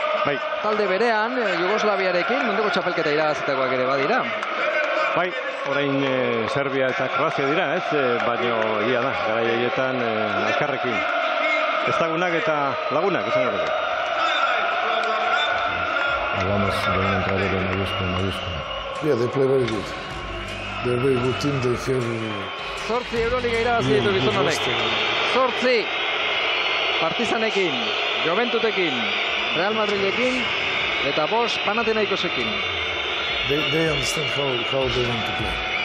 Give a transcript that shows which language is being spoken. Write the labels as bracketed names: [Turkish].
[Basque] Bai. Talde berean, Jugoslaviarekin, munduko txapelketa irabazitakoak ere badira. Bai, orain Serbia eta Kroazia dira, baina ia da, garai horietan elkarrekin. Ezagunak eta lagunak, esan gara. [Spanish] Hablamos de una entrada de Mayusco. [English] Yeah, they play very good. They're very good team, they feel... [Basque] Zortzi Euroliga irabazi ditu gizonalek. Zortzi! Partizanekin, Joventutekin, Real Madridekin eta bost Panathinaikosekin. [English] They understand how they want to play.